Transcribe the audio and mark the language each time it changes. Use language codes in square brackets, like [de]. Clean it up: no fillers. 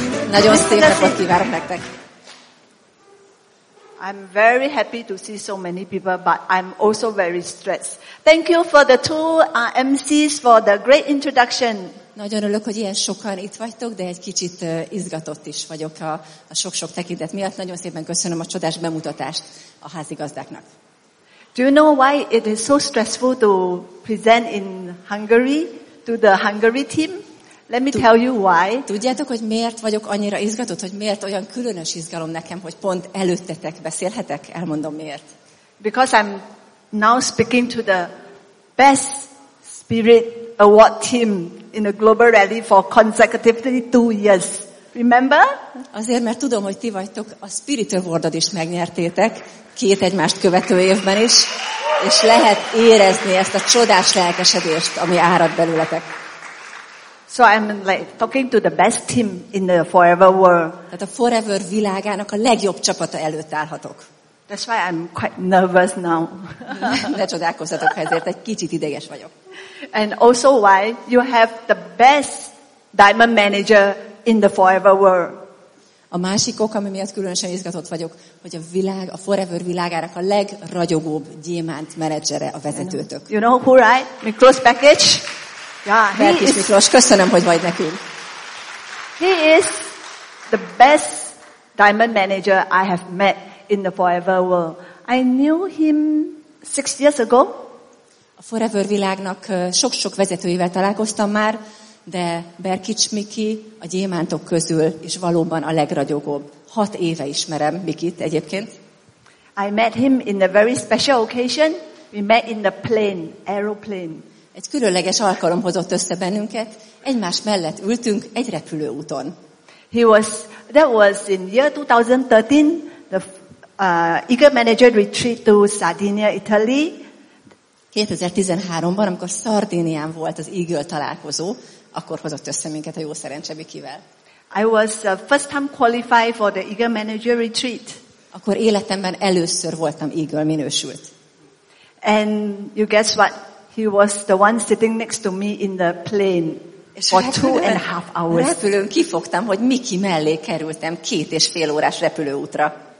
[hu] Nagyon szép napot kívánok nektek. [en] I'm very happy to see so many people, but I'm also very stressed. Thank you for the two MCs for the great introduction. [hu] Nagyon örülök, hogy ilyen sokan itt vagytok, de egy kicsit izgatott is vagyok a sok-sok tekintet miatt. Nagyon szépen köszönöm a csodás bemutatást a házigazdáknak. [en] Do you know why it is so stressful to present in Hungary to the Hungary team? Let me tell you why. [hu] Tudjátok, hogy miért vagyok annyira izgatott, hogy miért olyan különös izgalom nekem, hogy pont előttetek beszélhetek? Elmondom miért. [en] Because I'm now speaking to the best spirit award team in a global rally for consecutively 2 years. Remember? [hu] Azért, mert tudom, hogy ti vagytok a Spirit Award-ot is megnyertétek 2 egymást követő évben is, és lehet érezni ezt a csodás lelkesedést, ami árad belőletek. [en] So I'm like talking to the best team in the forever world. [hu] Tehát a forever világának a legjobb csapata előtt állhatok. [en] That's why I'm quite nervous now. [hu] Ne csodálkozzatok, ezért egy kicsit ideges vagyok. [en] And also why you have the best diamond manager in the forever world. [hu] A másik ok, ami miatt különösen izgatott vagyok, hogy a világ, a forever világának a legragyogóbb gyémánt menedzsere a vezetőtök. [en] You know who, right? Miklós Bekic. [hu] Yeah, Berkis Miklós, köszönöm, hogy vagy nekünk. [en] He is the best diamond manager I have met in the forever world. I knew him 6 years ago. [hu] A forever világnak sok-sok vezetőivel találkoztam már, de Berkic Miki a gyémántok közül is valóban a legragyogóbb. 6 éve ismerem Mikit egyébként. [en] I met him in a very special occasion. We met in the plane, aeroplane. [hu] Egy különleges alkalom hozott össze bennünket. Egymás mellett ültünk egy repülőúton. [en] That was in year 2013, the Eagle Manager Retreat to Sardinia, Italy. [hu] 2013-ban, amikor Szardínián volt az Eagle találkozó, akkor hozott össze minket a jó szerencse Mikivel. [en] I was first time qualified for the Eagle Manager Retreat. [hu] Akkor életemben először voltam Eagle minősült. [en] And you guess what? He was the one sitting next to me in the plane for 2.5 hours. [hu] Repülőn kifogtam, hogy Miki mellé kerültem 2.5 órás repülőútra.